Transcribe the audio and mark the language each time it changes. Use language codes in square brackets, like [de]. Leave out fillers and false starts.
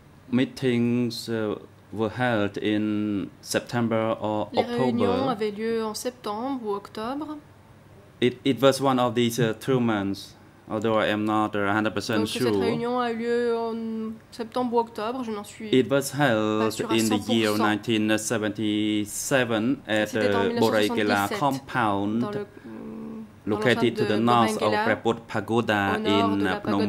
[en] The meetings were held in September or October. [fr] Les réunions avaient lieu en septembre ou octobre. [en] It was one of these 2 months, although I am not 100% [fr] donc, [en] sure. [fr] Cette réunion a eu lieu en septembre ou octobre, je n'en suis pas sûr. [en] It was held in the year 1977 at Boraikela compound, located to the north of Preput Pagoda in Phnom Penh.